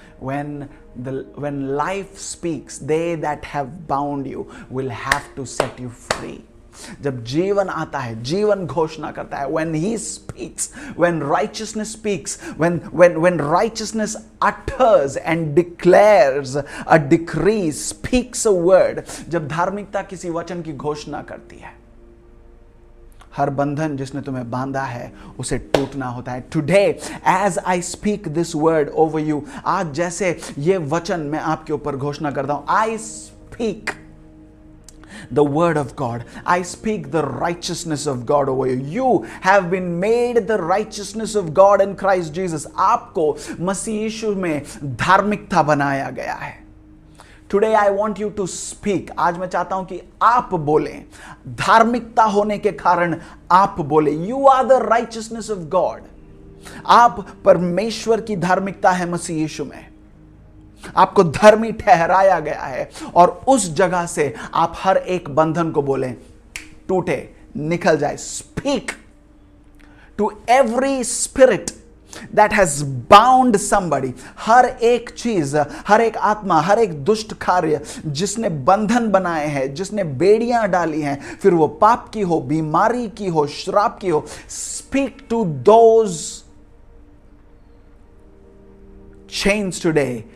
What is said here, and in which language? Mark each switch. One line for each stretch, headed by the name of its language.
English: When life speaks, they that have bound you will have to set you free.
Hindi: Jab jeevan aata hai, jeevan ghoshna karta hai.
English: When he speaks, when righteousness speaks, when righteousness utters and declares a decree, speaks a word.
Hindi: Jab dharmikta kisi vachan ki ghoshna karti hai. हर बंधन जिसने तुम्हें बांधा है उसे टूटना होता है.
English: today as I speak this word over you,
Hindi: आज जैसे ये वचन मैं आपके ऊपर घोषणा करता हूं,
English: I speak the word of God, I speak the righteousness of God over you. You have been made the righteousness of God in Christ Jesus.
Hindi: आपको मसीह यीशु में धार्मिकता बनाया गया है.
English: Today I want you to speak.
Hindi: आज मैं चाहता हूं कि आप बोलें. धार्मिकता होने के कारण आप बोलें.
English: You are the righteousness of God.
Hindi: आप परमेश्वर की धार्मिकता है मसीह यीशु में. आपको धर्मी ठहराया गया है और उस जगह से आप हर एक बंधन को बोलें, टूटे, निकल जाए.
English: Speak to every spirit that has bound somebody.
Hindi: हर एक चीज, हर एक आत्मा, हर एक दुष्ट कार्य जिसने बंधन बनाए हैं, जिसने बेड़ियां डाली हैं, फिर वो पाप की हो, बीमारी की हो, श्राप की हो,
English: speak to those chains today.